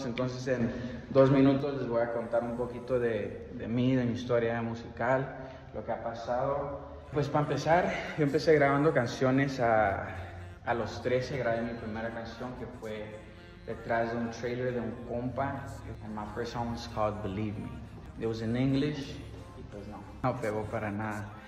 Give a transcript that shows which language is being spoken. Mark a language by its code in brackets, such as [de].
[es] Entonces, en 2 minutos les voy a contar un poquito de mí, de mi historia musical, lo que ha pasado. Pues para empezar, yo empecé grabando canciones a los 13, grabé mi primera canción que fue detrás de un trailer de un compa. [en] And my first song was called Believe Me. It was in English, [es] y pues no pegó para nada.